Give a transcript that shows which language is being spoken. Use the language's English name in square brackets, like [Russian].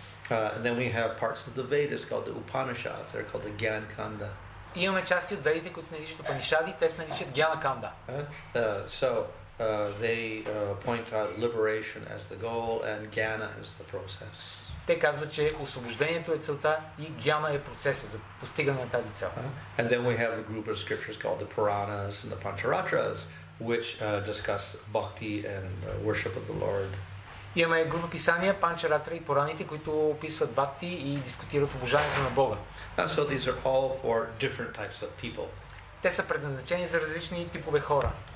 [English] And then we have parts of the Vedas called the Upanishads. They're called the Gyan Kanda. [Bulgarian] Имаме части от Ведите, които се наричат Упанишади, те се наричат Гяна Канда. [English] So they point out liberation as the goal and Gyana as the process. [Bulgarian] Те казват, че освобождението е целта и гяна е процесът за постигане на тази цел. [English] And then we have a group of scriptures called the Puranas and the Pancharatras, which discuss bhakti and worship of the Lord. [Bulgarian] Имаме група писания, Pancharatra и Пураните, които описват бхакти и дискутират обожанието на Бога. [English] And so these are all for different types of people. [Bulgarian] Те са предназначени за различни типове хора.